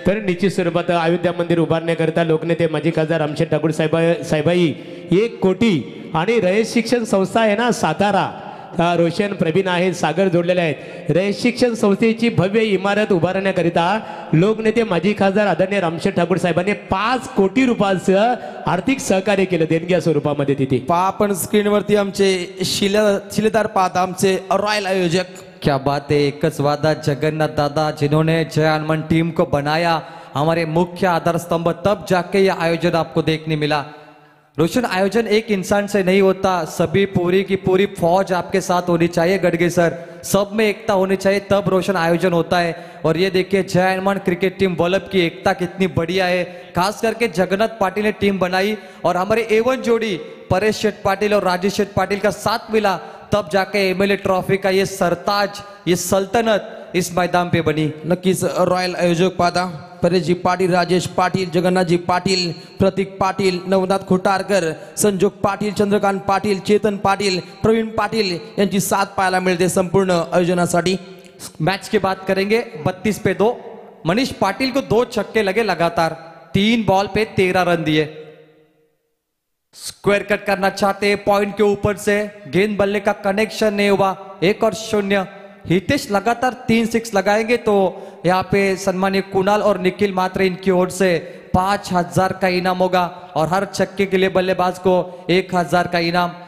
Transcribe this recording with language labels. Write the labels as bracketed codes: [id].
[mr] तर निश्चित स्वरूपात अयोध्या मंदिर उभारण्याकरता लोकनेते माजी खासदार रामशेठ ठाकूर साहेबाई 1 कोटी, आणि रयत शिक्षण संस्था आहे ना सातारा, रोशन प्रवीण आहेत सागर जोडलेले आहेत, रयत शिक्षण संस्थेची भव्य इमारत उभारण्याकरिता लोकनेते माजी खासदार आदरणीय रामशेठ ठाकूर साहेबांनी 5 कोटी रुपयांचं आर्थिक सहकार्य केलं देणग्या स्वरूपामध्ये। तिथे पहा आपण स्क्रीनवरती आमचे शिलेदार पाहत, आमचे रॉयल आयोजक, [hi] क्या बात है, [mr] एकच वादा जगन्नाथ दादा [hi] जिन्होंने जय हनुमान टीम को बनाया, हमारे मुख्य आधार स्तंभ, तब जाके ये आयोजन आपको देखने मिला। रोशन, आयोजन एक इंसान से नहीं होता, सभी पूरी की पूरी फौज आपके साथ होनी चाहिए, गडगे सर सब में एकता होनी चाहिए, तब रोशन आयोजन होता है। और ये देखिए जय हनुमान क्रिकेट टीम वल्लभ की एकता कितनी बढ़िया है, खास करके जगन्नाथ पाटिल ने टीम बनाई, और हमारे एवन जोड़ी परेश शेठ पाटिल और राजेश शेठ पाटिल का साथ मिला, तब जाके एमएलए ट्रॉफी का ये सरताज, ये सल्तनत इस मैदान पे बनी। [mr] नक्कीच रॉयल आयोजक पादा, परेश जी पाटील, राजेश पाटील, जगन्नाथ जी पाटील, प्रतीक पाटील, नवनाथ खुटारकर, संजोग पाटील, चंद्रकांत पाटील, चेतन पाटील, प्रवीण पाटील यांची साथ पाहायला मिळते संपूर्ण आयोजनासाठी। [hi] मॅच की बात करेंगे, 32-2 मनीष पाटील को 2 छक्के लगे लगातार, 3 बॉल पे 13 रन दिए। स्क्वेयर कट करना चाहते हैं पॉइंट के ऊपर से, गेंद बल्ले का कनेक्शन नहीं हुआ, एक और शून्य। हितेश लगातार 3 सिक्स लगाएंगे तो यहाँ पे सम्मानित कुणाल और निखिल मात्रे इनकी ओर से 5,000 का इनाम होगा और हर छक्के के लिए बल्लेबाज को 1,000 का इनाम।